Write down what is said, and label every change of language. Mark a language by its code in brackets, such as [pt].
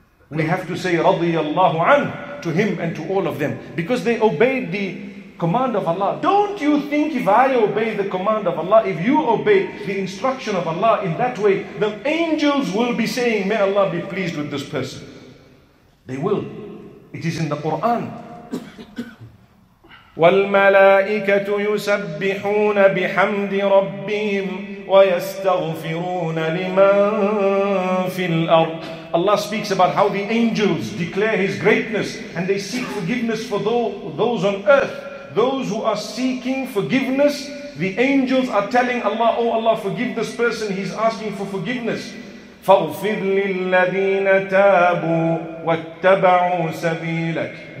[en] We have to say radiyallahu an to him and to all of them because they obeyed the command of Allah. Don't you think if I obey the command of Allah, if you obey the instruction of Allah in that way, the angels will be saying, may Allah be pleased with this person. They will. It is in the Quran. [ar] والملائكة يسبحون بحمد ربهم ويستغفرون لمن في الأرض. [en] Allah speaks about how the angels declare His greatness and they seek forgiveness for those on earth. Those who are seeking forgiveness, the angels are telling Allah, oh Allah, forgive this person. He's asking for forgiveness. [ar] فَغْفِرْ لِلَّذِينَ تَابُوا وَاتَّبَعُوا سَبِيلَكَ.